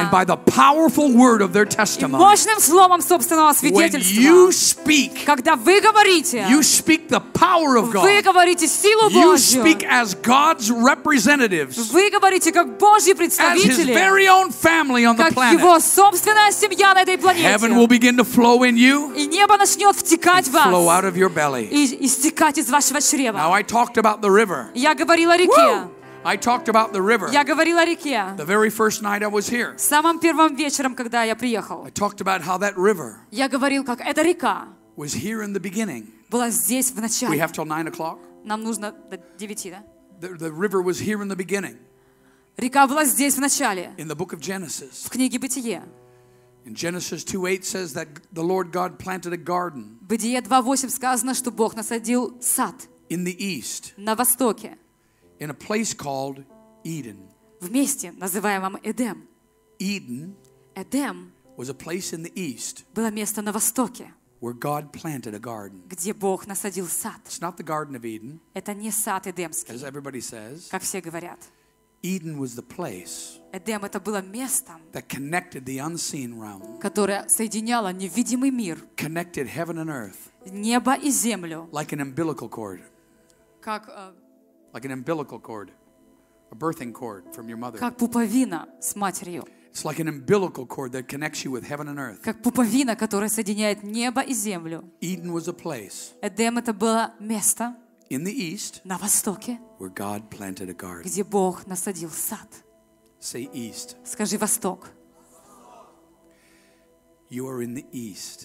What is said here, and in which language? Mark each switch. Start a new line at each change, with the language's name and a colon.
English: And by the powerful word of their testimony.
Russian: И мощным словом собственного свидетельства.
English: When you speak.
Russian: Когда вы говорите.
English: You speak the power of God.
Russian: Вы говорите силу Божью.
English: You speak as God's representatives.
Russian: Вы говорите как Божьи представители.
English: Very own family on the planet.
Russian: Как его собственная семья на этой планете.
English: Heaven will begin to flow in you.
Russian: И небо начнет втекать в вас.
English: Flow out of your belly.
Russian: И истекать из вашего чрева.
English: Now I talked about the river.
Russian: Я говорил о реке.
English: I talked about the river.
Russian: Я говорил о реке.
English: The very first night I was here.
Russian: Самым первым вечером, когда я приехал.
English: I talked about how that river.
Russian: Я говорил, как эта река.
English: Was here in the beginning.
Russian: Была здесь в начале.
English: We have till 9:00.
Russian: Нам нужно до 9, да?
English: The river was here in the beginning.
Russian: Река была здесь в начале.
English: In the book of Genesis.
Russian: В книге Бытие.
English: In Genesis 2:8 says that the Lord God planted a garden.
Russian: Бытие 2:8 сказано, что Бог насадил сад.
English: In the east.
Russian: На востоке.
English: In a place called Eden.
Russian: В месте, называемом Эдем.
English: Eden.
Russian: Эдем.
English: Was a place in the east.
Russian: Было место на востоке.
English: Where God planted a garden.
Russian: Где Бог насадил сад.
English: It's not the Garden of Eden.
Russian: Это не сад Эдемский.
English: As everybody says.
Russian: Как все говорят.
English: Eden was the place.
Russian: Эдем это было местом.
English: That connected the unseen realm.
Russian: Которое соединяло невидимый мир.
English: Connected heaven and earth.
Russian: Небо и землю.
English: Like an umbilical cord.
Russian: Как
English: like an umbilical cord. A birthing cord from your mother.
Russian: Как пуповина с матерью.
English: It's like an umbilical cord that connects you with heaven and earth.
Russian: Как пуповина, которая соединяет небо и землю.
English: Eden was a place.
Russian: Эдем это было место.
English: In the east,
Russian: на востоке,
English: where God planted a garden.
Russian: Где Бог насадил сад.
English: Say east.
Russian: Скажи восток.
English: You are in the east.